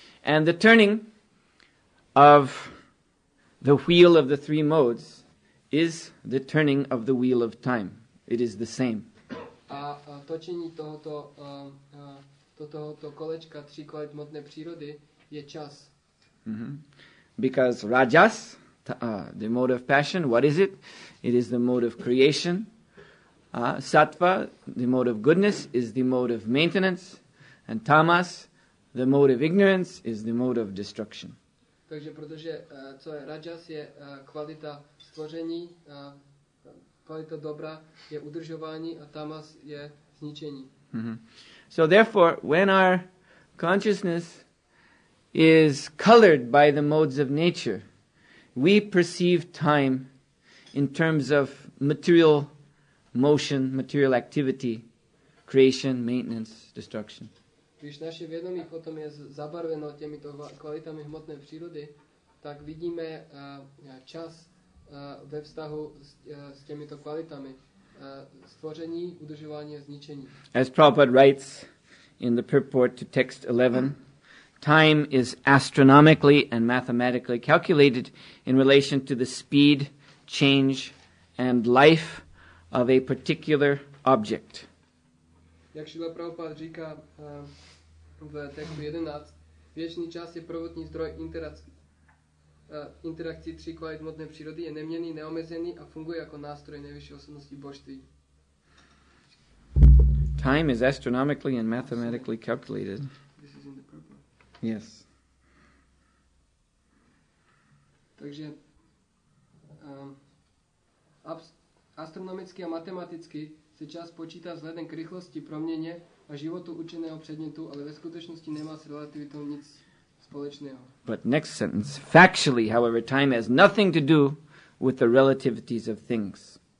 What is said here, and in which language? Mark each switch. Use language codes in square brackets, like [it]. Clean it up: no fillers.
[en] And the turning of the wheel of the three modes is the turning of the wheel of time. It is the same. [cs] A točení tohoto tohoto kolečka tří kvalit hmotné přírody je čas. [en] Because rajas, the mode of passion, what is it? It is the mode of creation. Sattva, the mode of goodness, is the mode of maintenance. And tamas, the mode of ignorance, is the mode of destruction. [cs] Takže protože co je rajas, je kvalita stvoření, kvalita dobra je udržování a tamas je zničení. [en] So therefore, when our consciousness is colored by the modes of nature, we perceive time in terms of material motion, material activity, creation, maintenance, destruction. [cs] Když naše vědomí potom je zabarveno těmito kvalitami hmotné přírody, tak vidíme čas ve vztahu s těmito kvalitami stvoření, udržování a zničení. [en] As Prabhupada writes in the purport to text 11, time is astronomically and mathematically calculated in relation to the speed, change, and life of a particular object. [cs] Jak Šíla Prabhupáda říká v textu 11, věčný čas je prvotní zdroj interakcí tří kvalit hmotné přírody, je neměnný, neomezený a funguje jako nástroj nejvyšší osobnosti božství. [en] Time is astronomically and mathematically calculated. Yes. [cs] Takže astronomicky a matematicky se čas počítá vzhledem k rychlosti proměně a životu učeného předmětu, ale ve skutečnosti nemá s relativitou nic společného. [en] But next sentence, factually, however, time has nothing to do with the relativities of things.